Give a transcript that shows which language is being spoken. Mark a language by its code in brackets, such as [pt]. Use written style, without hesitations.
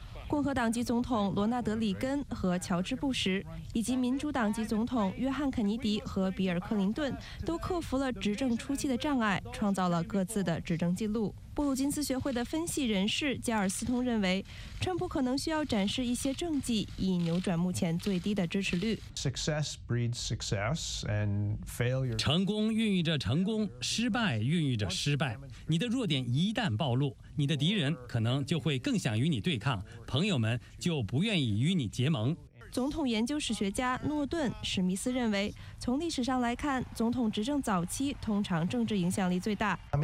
[zh] 共和党籍总统罗纳德·里根和乔治·布什，以及民主党籍总统约翰·肯尼迪和比尔·克林顿，都克服了执政初期的障碍，创造了各自的执政记录。布鲁金斯学会的分析人士加尔斯通认为，川普可能需要展示一些政绩，以扭转目前最低的支持率。 [en] Success breeds success, and failure. [zh] 成功孕育着成功，失败孕育着失败。你的弱点一旦暴露，你的敌人可能就会更想与你对抗，朋友们就不愿意与你结盟。总统研究史学家诺顿·史密斯认为，从历史上来看，总统执政早期通常政治影响力最大。